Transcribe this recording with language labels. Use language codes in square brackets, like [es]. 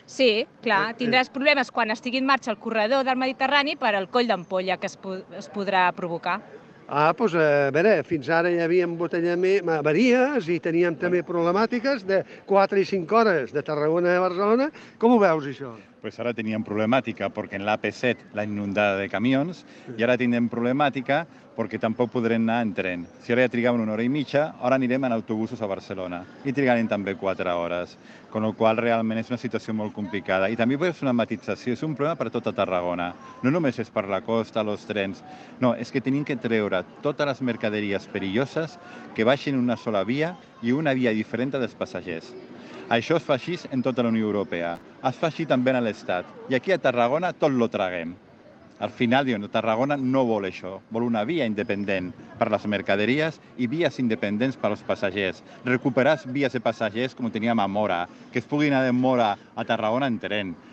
[ca] Sí, clar, tindràs problemes quan estigui en marxa el corredor del Mediterrani per el coll d'ampolla que es podrà provocar. Ah, doncs a veure, fins ara hi havia embotellament, avaries, i teníem també problemàtiques de 4 i 5 hores de Tarragona a Barcelona. Com ho veus, això? [es] pues ahora tenían problemática porque en la AP7 la inundada de camiones y ahora tienen problemática porque tampoco podrán ir en tren. Si ahora ya trigaban una hora y mitja, ahora iremos en autobuses a Barcelona y trigaran también 4 horas, con lo cual realmente es una situación muy complicada. Y también puede ser una matización, es un problema para toda Tarragona. [ca] No només [es] es para la costa, los trens. No, es que tienen que treure todas las mercaderías perillosas que bajen una sola vía y una vía diferente de los pasajeros. [ca] Això es fa així en tota la Unió Europea. Es fa així també a l'Estat. I aquí a Tarragona tot lo traguem. Al final, diuen, Tarragona no vol això. Vol una via independent per a les mercaderies i vies independents per als passagers. Recuperar vies de passagers com ho teníem a Mora, que es puguin anar de Mora a Tarragona en tren.